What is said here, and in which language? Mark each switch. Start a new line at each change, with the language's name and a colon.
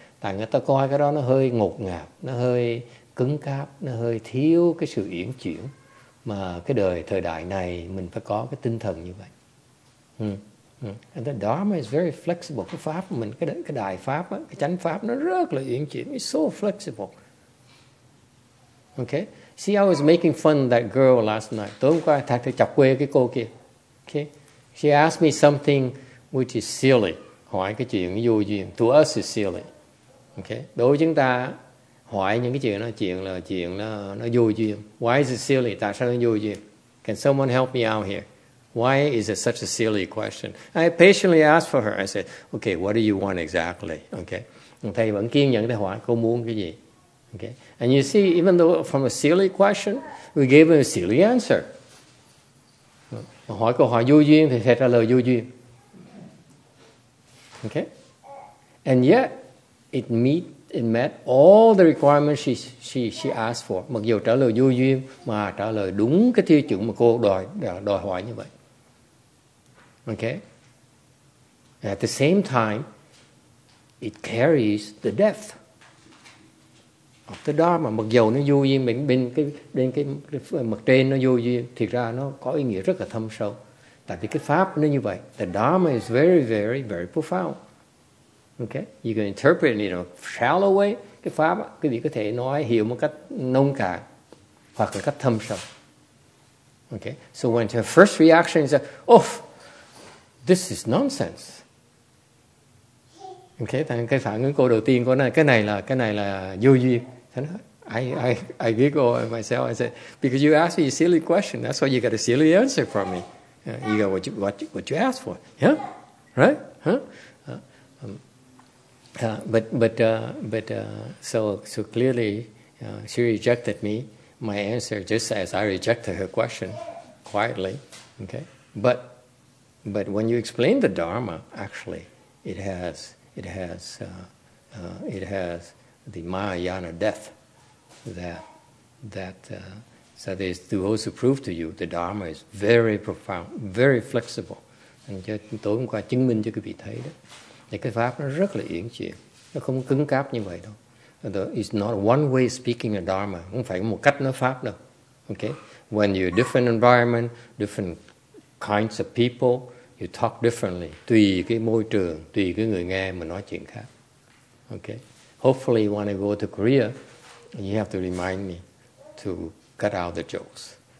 Vietnamese: Tại người ta coi cái đó nó hơi ngột ngạt, nó hơi cứng cáp, nó hơi thiếu cái sự uyển chuyển. Mà cái đời, thời đại này mình phải có cái tinh thần như vậy.
English: And the Dharma is very flexible.
Vietnamese: Cái Pháp mình, cái đại Pháp, cái chánh Pháp nó rất là uyển chuyển.
English: It's so flexible. Okay? See, I was making fun of that girl last night.
Vietnamese: Tối hôm qua, thật thì chọc quê cái cô kia.
English: Okay? She asked me something which is silly.
Vietnamese: Hỏi cái chuyện vô duyên.
English: To us is silly.
Vietnamese: Okay? Đối với chúng ta, hỏi những cái chuyện đó, chuyện là vô duyên.
English: Why is it silly?
Vietnamese: Tại sao nó vô duyên?
English: Can someone help me out here? Why is it such a silly question? I patiently asked for her. I said, okay, what do you want exactly? Okay?
Vietnamese: Thầy vẫn kiên nhẫn để hỏi cô muốn cái gì. Okay?
English: And you see, even though from a silly question, we gave her a silly answer.
Vietnamese: Hỏi câu hỏi vô duyên thì thầy trả lời vô duyên. Okay?
English: And yet, it met all the requirements she asked for.
Vietnamese: Mặc dù trả lời vô duyên, mà trả lời đúng cái tiêu chuẩn mà cô đòi hỏi như vậy. Okay?
English: At the same time, it carries the depth of the Dharma.
Vietnamese: Mặc dù nó vô duyên, bên cái mặt trên nó vô duyên, thì ra nó có ý nghĩa rất là thâm sâu. Tại vì cái Pháp nó như vậy.
English: The Dharma is very, very, very profound. Okay? You can interpret it in a shallow way.
Vietnamese: Cái Pháp, quý vị có thể nói, hiểu một cách nông cạn hoặc là cách thâm sâu. Okay?
English: So when her first reaction is, oh, this is nonsense.
Vietnamese: Okay, thành cái phản ứng cô đầu tiên của nó, cái này là vô duyên.
English: Thành I giggle myself. I said, because you asked me a silly question, that's why you got a silly answer from me. You got what you asked for. Yeah, right? Huh? So clearly, she rejected me. My answer, just as I rejected her question, quietly. Okay, but. But when you explain the Dharma, actually, it has the Mahayana depth that is to also prove to you the Dharma is very profound, very flexible.
Vietnamese: And cho tối hôm qua chứng minh cho quý vị thấy đó, thì cái Pháp nó rất là uyển chuyển, nó không cứng cáp như vậy đâu.
English: It's not one way speaking a Dharma,
Vietnamese: không phải một cách nói Pháp đâu.
English: Okay, when you're different environment, different kinds of people. You talk differently,
Vietnamese: tùy cái môi trường, tùy cái người nghe mà nói chuyện khác. Okay.
English: Hopefully, when I go to Korea, you have to remind me to cut out the jokes.